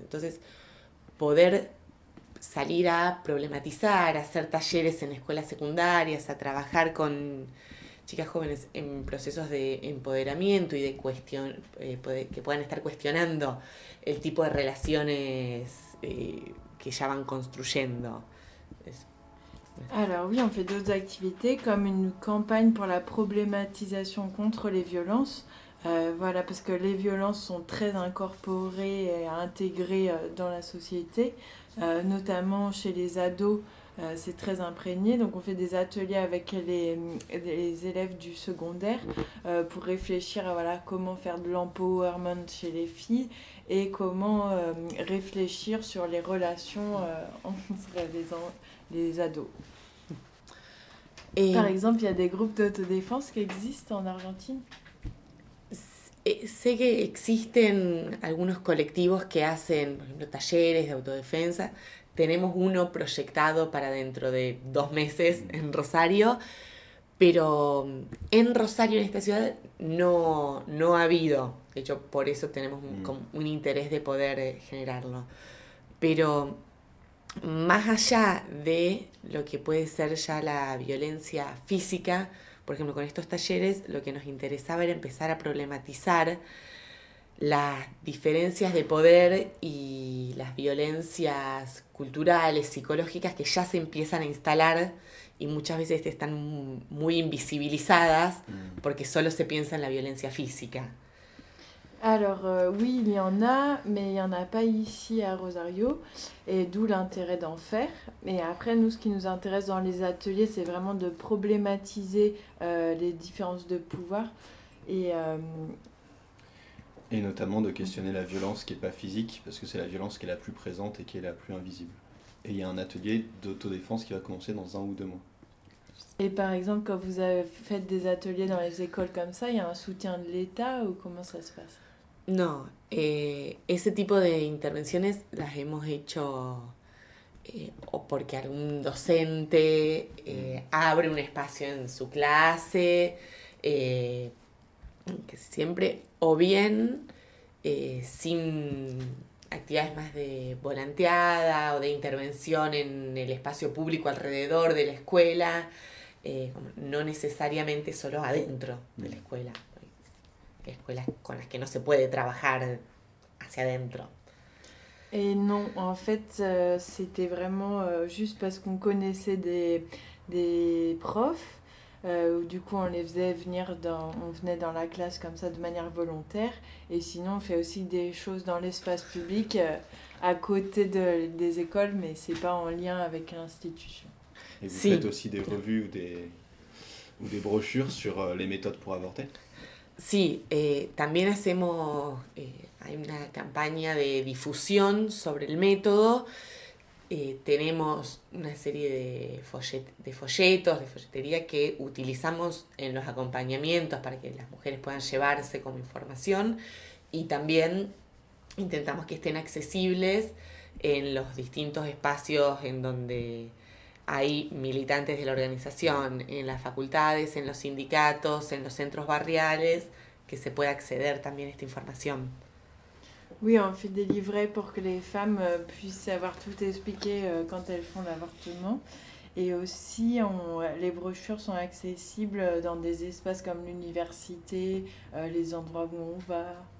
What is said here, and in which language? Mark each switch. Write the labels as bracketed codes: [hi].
[es] Entonces, poder salir a problematizar, a hacer talleres en escuelas secundarias, a trabajar con chicas jóvenes en procesos de empoderamiento y de cuestión, que puedan estar cuestionando el tipo de relaciones que ya van construyendo. [fr] Alors oui, on fait d'autres activités comme une campagne pour la problématisation contre les violences. Voilà, parce que les violences sont très incorporées et intégrées dans la société, notamment chez les ados, c'est très imprégné. Donc on fait des ateliers avec les élèves du secondaire pour réfléchir à voilà, comment faire de l'empowerment chez les filles et comment réfléchir sur les relations entre les ados. Et par exemple, il y a des groupes d'autodéfense qui existent en Argentine. [es] Sé que existen algunos colectivos que hacen, por ejemplo, talleres de autodefensa. Tenemos uno proyectado para dentro de 2 meses en Rosario, pero en Rosario, en esta ciudad, no ha habido. De hecho, por eso tenemos un interés de poder generarlo. Pero más allá de lo que puede ser ya la violencia física, por ejemplo, con estos talleres, lo que nos interesaba era empezar a problematizar las diferencias de poder y las violencias culturales, psicológicas, que ya se empiezan a instalar y muchas veces están muy invisibilizadas porque solo se piensa en la violencia física. [fr] Alors oui, il y en a, mais il n'y en a pas ici à Rosario, et d'où l'intérêt d'en faire. Et après, nous, ce qui nous intéresse dans les ateliers, c'est vraiment de problématiser les différences de pouvoir. Et notamment de questionner la violence qui n'est pas physique, parce que c'est la violence qui est la plus présente et qui est la plus invisible. Et il y a un atelier d'autodéfense qui va commencer dans 1 ou 2 mois. Et par exemple, quand vous avez fait des ateliers dans les écoles comme ça, il y a un soutien de l'État ou comment ça se passe? [es] Non, ese tipo de intervenciones las hemos hecho o porque algún docente abre un espacio en su clase, que siempre, o bien sin actividades más de volanteada o de intervención en el espacio público alrededor de la escuela. No necesariamente solo adentro de la escuela. Hay escuelas con las que no se puede trabajar hacia adentro. [fr] Non, en fait, c'était vraiment juste parce qu'on connaissait des profs. Du coup, on les faisait venir on venait dans la classe comme ça de manière volontaire. Et sinon, on fait aussi des choses dans l'espace public à côté des écoles, mais c'est pas en lien avec l'institution. Et vous faites aussi des revues ou des brochures sur les méthodes pour avorter. [es] Sí, también hacemos hay una campaña de difusión sobre el método. Tenemos una serie de folletería que utilizamos en los acompañamientos para que las mujeres puedan llevarse como información y también intentamos que estén accesibles en los distintos espacios en donde hay militantes de la organización, en las facultades, en los sindicatos, en los centros barriales, que se pueda acceder también a esta información. [fr] Oui, on fait des livrets pour que les femmes puissent avoir tout expliqué quand elles font l'avortement. Et aussi, les brochures sont accessibles dans des espaces comme l'université, les endroits où on va.